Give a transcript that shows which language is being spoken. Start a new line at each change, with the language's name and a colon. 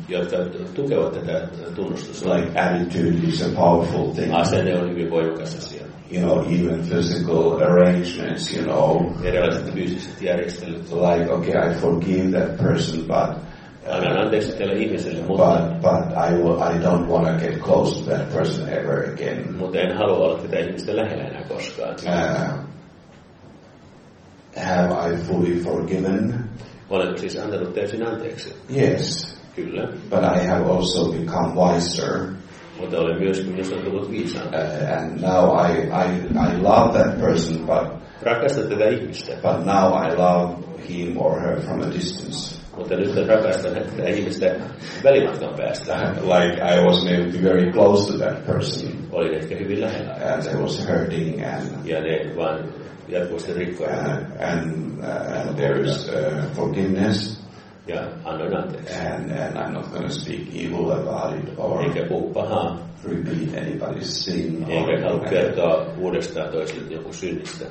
Finnish: Jotka tukevat tätä tunnustusta.
English: Like attitude is a powerful thing.
Finnish: Asenne on hyvin voimakas asia.
English: You know, even physical arrangements, you know.
Finnish: Erilaiset fyysiset järjestelyt.
English: Like, okay, I forgive that person, but
Finnish: annan anteeksi tälle ihmiselle, mutta
English: but I don't want to get close to that person ever again.
Finnish: Mutta en halua olla tätä ihmistä lähellä enää koskaan.
English: Have I fully forgiven?
Finnish: Olenko siis antanut täysin anteeksi?
English: Yes.
Finnish: Kyllä.
English: But I have also become wiser.
Finnish: Mutta olen myöskin jos on tullut viisaampi.
English: And now I love that person, but
Finnish: rakastan tätä ihmistä.
English: But now I love him or her from a distance.
Finnish: Mutta nyt rakastan tätä ihmistä välimatkan päästä.
English: Like I was maybe very close to that person.
Finnish: Olin ehkä hyvin lähellä.
English: And I was hurting and
Finnish: ja ne vaan jatkuvasti rikkoi.
English: And there is forgiveness.
Finnish: Ja annoin anteeksi.
English: And I'm not going to speak evil about it or
Finnish: eikä puhu pahaa.
English: Repeat anybody's sin.
Finnish: Eikä halua kertoa uudestaan toisille joku synnistä.